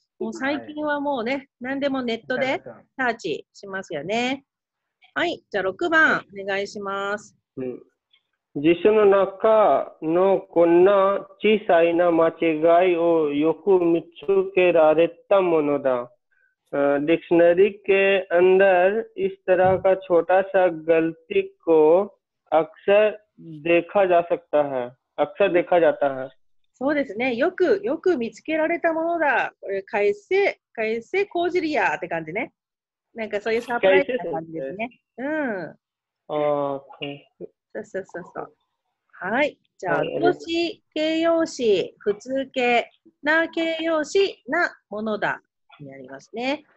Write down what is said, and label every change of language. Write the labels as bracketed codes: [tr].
[ja] もう最近はもうね、何でもネットでサーチしますよね。はい、じゃあ6番、お願いします。うん辞書の中のこんな小さいな間違いをよく見つけられたものだ。 [hi] ディクショナリーけ अंदर इस तरह का छोटा सा गलती को अक्सर देखा जा सकता है。 अक्सर देखा जाता है。 [ja] そうですね。よく見つけられたものだ。かえせこじりやって感じね。なんかそういうサプライズな感じですね。うん。ああ、こう。そう。はい。じゃあ、動詞、形容詞、普通形、な形容詞、なものだ。になりますね。